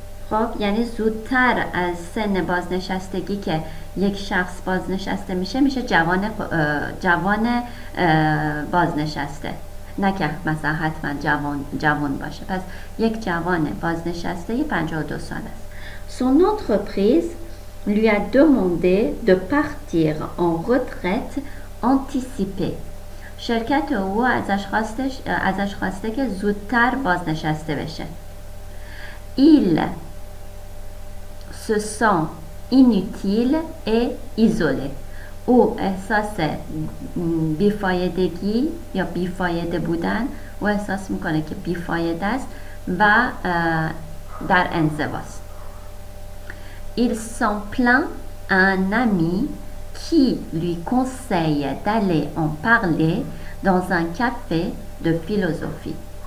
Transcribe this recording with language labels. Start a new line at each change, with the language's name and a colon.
Persian: خب یعنی زودتر از سن بازنشستگی که یک شخص بازنشسته میشه، میشه جوان بازنشسته. نه که مثلا حتما جوان باشه، پس یک جوان بازنشسته 52 سال است.
French: Son entreprise lui a demandé de partir en retraite anticipée.
Persian: شرکت او ازش خواسته که زودتر بازنشسته بشه.
French: Il se sent inutile et isolé.
Persian: او احساس بیفایدگی یا بیفایده بودن، او احساس میکنه که بیفایده است و در انزواست.
French: Il s'en plaint à un ami qui lui conseille d'aller en parler dans un café de philosophie.